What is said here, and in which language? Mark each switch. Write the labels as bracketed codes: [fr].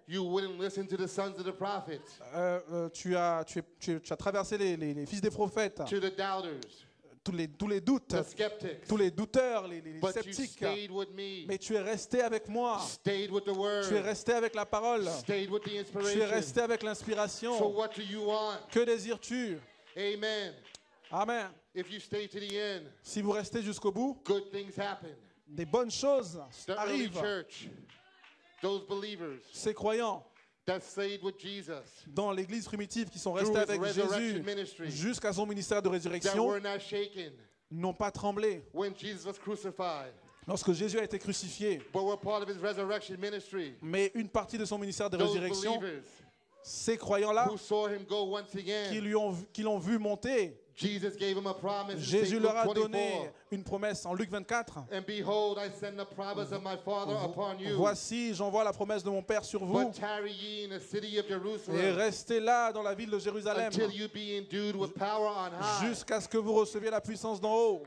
[en] You wouldn't listen to the sons of the prophets. [fr] Tu as traversé les fils des prophètes. [en] To the doubters. [fr] Tous les doutes, tous les douteurs, les sceptiques. Mais tu es resté avec moi. Tu es resté avec la parole. Tu es resté avec l'inspiration. [en] So what do you want? [fr] Que désires-tu? [en] Amen. [fr] Amen. [en] If you stay to the end, [fr] si vous restez jusqu'au bout, [en] good things happen. [fr] Des bonnes choses arrivent. [en] Church, those believers, [fr] ces croyants [en] that stayed with Jesus, [fr] dans l'église primitive qui sont restés avec Jésus [en] ministry, [fr] jusqu'à son ministère de résurrection [en] that were not shaken, [fr] n'ont pas tremblé [en] when Jesus was crucified, [fr] lorsque Jésus a été crucifié [en] but were part of his resurrection ministry, [fr] mais une partie de son ministère de [en] those [fr] résurrection [en] believers, [fr] ces croyants-là [en] who saw him go once again, [fr] qui l'ont vu monter [en] Jesus gave him a promise, [fr] Jésus leur a donné une promesse en Luc 24. [en] And behold, I send the promise of my Father upon you. [fr] Voici, j'envoie la promesse de mon Père sur vous. [en] But tarry ye in the city of Jerusalem, [fr] et restez là dans la ville de Jérusalem [en] until you be endued with power on high, [fr] jusqu'à ce que vous receviez la puissance d'en haut.